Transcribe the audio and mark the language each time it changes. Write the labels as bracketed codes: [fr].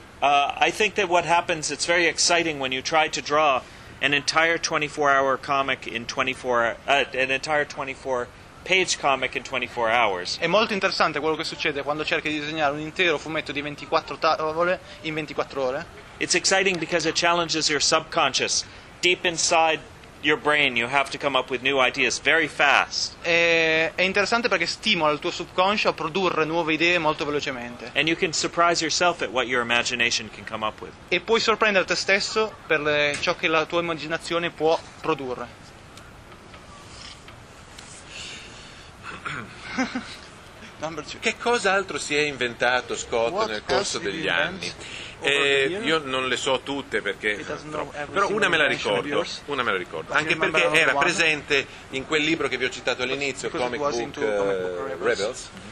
[en] I think that what happens, it's very exciting when you try to draw an entire 24-hour comic in 24-page comic in 24 hours. [it] È molto interessante quello che succede quando cerchi di disegnare un intero fumetto di 24 tavole in 24 ore. [en] It's exciting because it challenges your subconscious deep inside your brain, you have to come up with new ideas very fast. [it] È interessante perché stimola il tuo subconscio a produrre nuove idee molto velocemente. [en] And you can surprise yourself at what your imagination can come up with. [it] E puoi sorprendere te stesso per ciò che la tua immaginazione può produrre. [en] Number two. [it] Che cosa altro si è inventato Scott [en] what [it] nel corso degli anni? Io non le so tutte perché però una me la ricordo anche perché era presente in quel libro che vi ho citato all'inizio, Comic Book Rebels.